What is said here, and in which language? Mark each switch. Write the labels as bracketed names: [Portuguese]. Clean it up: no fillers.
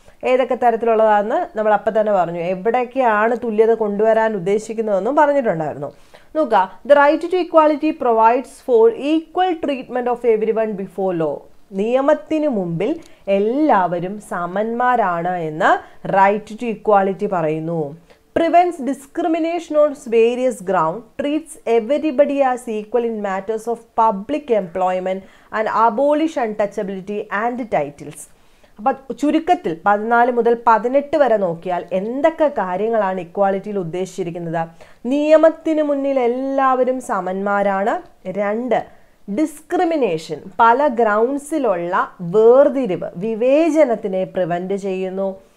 [Malayalam] ഏതൊക്കെ തരത്തിലുള്ളതാണെന്ന് നമ്മൾ അപ്പം തന്നെ പറഞ്ഞു. എവിടേക്കാണ് തുല്യത കൊണ്ടുവരാൻ ഉദ്ദേശിക്കുന്നതെന്നും പറഞ്ഞിട്ടുണ്ടായിരുന്നു. [English] നോക്കുക, the right to equality provides for equal treatment of everyone before law. [Malayalam] നിയമത്തിന് മുമ്പിൽ എല്ലാവരും സമന്മാരാണ് എന്ന് റൈറ്റ് ടു ഇക്വാളിറ്റി പറയുന്നു. [English] prevents discrimination on various grounds, treats everybody as equal in matters of public employment and abolish untouchability and titles. [Malayalam] അപ്പൊ ചുരുക്കത്തിൽ 14 മുതൽ 18 വരെ നോക്കിയാൽ എന്തൊക്കെ കാര്യങ്ങളാണ് ഇക്വാളിറ്റിയിൽ ഉദ്ദേശിച്ചിരിക്കുന്നത്? നിയമത്തിന് മുന്നിൽ എല്ലാവരും സമന്മാരാണ്. 2, ഡിസ്ക്രിമിനേഷൻ പല ഗ്രൗണ്ട്സിലുള്ള വേർതിരിവ് വിവേചനത്തിനെ പ്രിവെന്റ് ചെയ്യുന്നു.